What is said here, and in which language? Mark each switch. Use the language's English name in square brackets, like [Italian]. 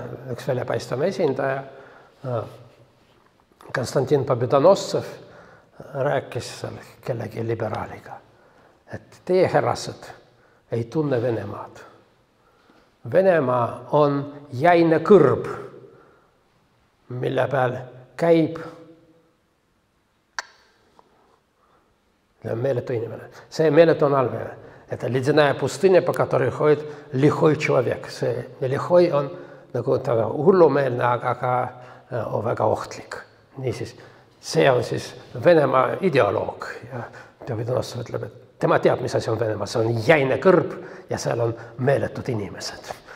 [Estonian] üks väljapaistvam esindaja, Konstantin Pobedonossov, rääkis seal kellegi liberaaliga, et teie herrased ei tunne Venemaad. Venemaa on jäine kõrb, mille peal käib meeletu inimene. See meeletu on alme. [Russian] Это ледяная пустыня, по которой ходит лихой человек. [Estonian] See, лихой он nagu, hullumeelne, aga väga ohtlik. Nii siis, see on siis Venemaa ideoloog. Ja Pobedonossov ütleb, et tema teab, mis asja on Venemaa. See on jäine kõrb ja seal on meeletud inimesed.